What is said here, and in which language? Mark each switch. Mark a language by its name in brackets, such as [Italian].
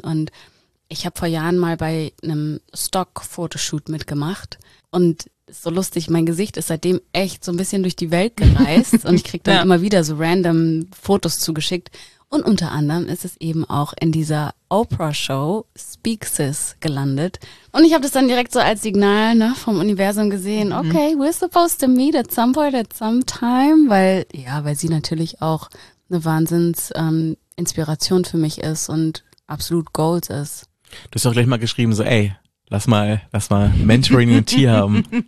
[German] Und ich habe vor Jahren mal bei einem Stock-Fotoshoot mitgemacht und so lustig, mein Gesicht ist seitdem echt so ein bisschen durch die Welt gereist und ich kriege dann immer wieder so random Fotos zugeschickt. Und unter anderem ist es eben auch in dieser Oprah-Show Speak Sis gelandet. Und ich habe das dann direkt so als Signal, ne, vom Universum gesehen. [English] Okay, we're supposed to meet at some point, at some time. [German] Weil, ja, weil sie natürlich auch eine Wahnsinns Inspiration für mich ist und absolut Gold ist. Du hast auch gleich mal geschrieben, so ey, lass mal Mentoring in Tea haben.